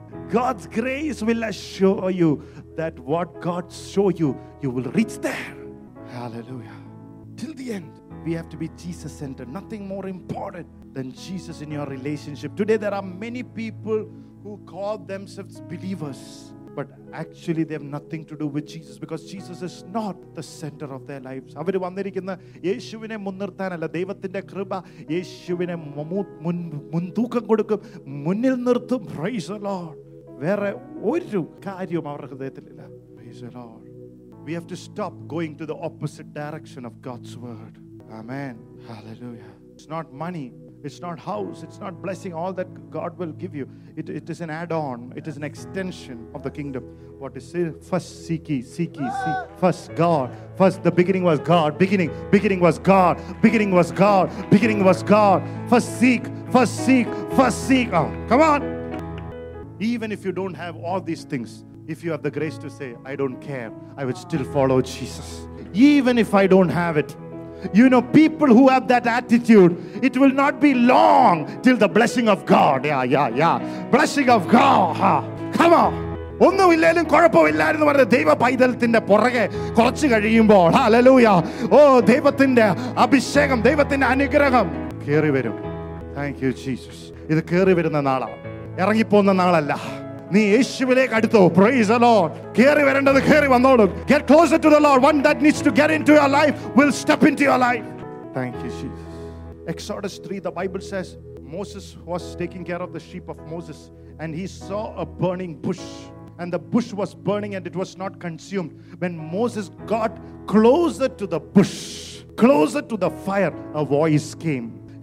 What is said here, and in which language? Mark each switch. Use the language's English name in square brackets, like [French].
[English] God's grace will assure you that what God show you, you will reach there. Hallelujah. Till the end. We have to be Jesus-centered. Nothing more important than Jesus in your relationship. Today there are many people who call themselves believers, but actually they have nothing to do with Jesus because Jesus is not the center of their lives. [Malayalam] അവർ വന്നിരിക്കുന്ന യേശുവിനെ മുൻനിർത്താനല്ല, ദൈവത്തിന്റെ കൃപ യേശുവിനെ മുൻതൂക്കം കൊടുക്കും, മുന്നിൽ നിർത്തും. [English] Praise the Lord. [Malayalam] വേറെ ഒരു കാര്യവും അവരുടെ ഹൃദയത്തിലില്ല. [English] Praise the Lord. We have to stop going to the opposite direction of God's word. Amen. Hallelujah. It's not money. It's not house. It's not blessing. All that God will give you. It is an add-on. It is an extension of the kingdom. What is it? First seek ye. First God. First, the beginning was God. Beginning was God. Beginning was God. Beginning was God. First seek. Oh, come on. Even if you don't have all these things, if you have the grace to say, I don't care, I would still follow Jesus. Even if I don't have it. You know, people who have that attitude, it will not be long till the blessing of God. Yeah, yeah, yeah. Blessing of God. Huh? Come on. [Malayalam] ഒന്നും ഇല്ലെങ്കിലും കുഴപ്പമില്ല എന്ന് പറഞ്ഞ ദൈവ പൈതലത്തിന്റെ പുറകെ കുറച്ച് കഴിയുമ്പോൾ, hallelujah, ഓ ദൈവത്തിന്റെ അഭിഷേകം, ദൈവത്തിന്റെ അനുഗ്രഹം കേറി വരും. [English] Thank you Jesus. [Malayalam] ഇത് കേറി വരുന്ന നാളാ, ഇറങ്ങിപ്പോന്ന നാളല്ല. നീ യേശുവിലേക്ക് അടുത്തോ. [English] Praise the Lord. [Malayalam] കേറി വരേണ്ടത് കേറി വന്നോളും. [English] Get closer to the Lord. One that needs to get into your life will step into your life. Thank you Jesus. Exodus 3, the Bible says, Moses was taking care of the sheep of Moses, and he saw a burning bush, and the bush was burning and it was not consumed. When Moses got closer to the bush, closer to the fire, a voice came.